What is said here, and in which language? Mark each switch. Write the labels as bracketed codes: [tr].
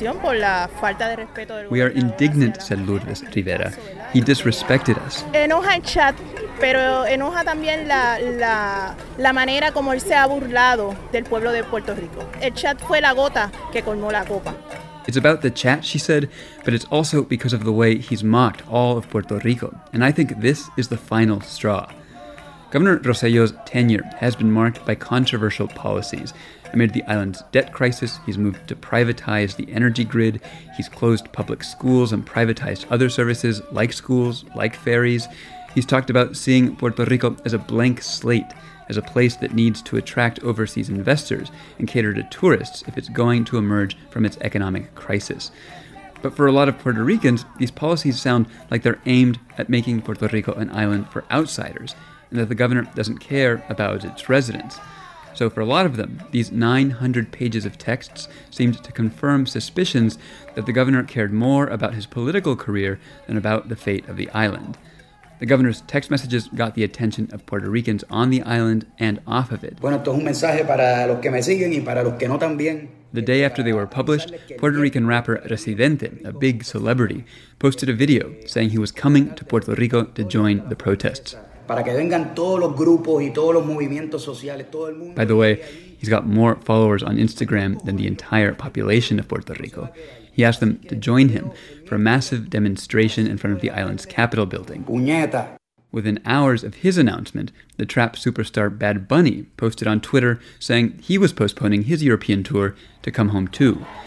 [en] We are indignant, said Lourdes Rivera. He disrespected us. [es] Enoja el chat, pero enoja también la manera como él se ha burlado del pueblo de Puerto Rico. El chat fue la gota que colmó la copa. [en] It's about the chat, she said, but it's also because of the way he's mocked all of Puerto Rico. And I think this is the final straw. Governor Rosello's tenure has been marked by controversial policies. Amid the island's debt crisis, he's moved to privatize the energy grid. He's closed public schools and privatized other services, like schools, like ferries. He's talked about seeing Puerto Rico as a blank slate, as a place that needs to attract overseas investors and cater to tourists if it's going to emerge from its economic crisis. But for a lot of Puerto Ricans, these policies sound like they're aimed at making Puerto Rico an island for outsiders, and that the governor doesn't care about its residents. So for a lot of them, these 900 pages of texts seemed to confirm suspicions that the governor cared more about his political career than about the fate of the island. The governor's text messages got the attention of Puerto Ricans on the island and off of it. [es] Bueno, esto es un mensaje para los que me siguen y para los que no también. [en] The day after they were published, Puerto Rican rapper Residente, a big celebrity, posted a video saying he was coming to Puerto Rico to join the protests. [es] Para que vengan todos los grupos y todos los movimientos sociales, todo el mundo. [en] By the way, he's got more followers on Instagram than the entire population of Puerto Rico. He asked them to join him for a massive demonstration in front of the island's capital building. [es] Puñeta. [en] Within hours of his announcement, the trap superstar Bad Bunny posted on Twitter saying he was postponing his European tour to come home too.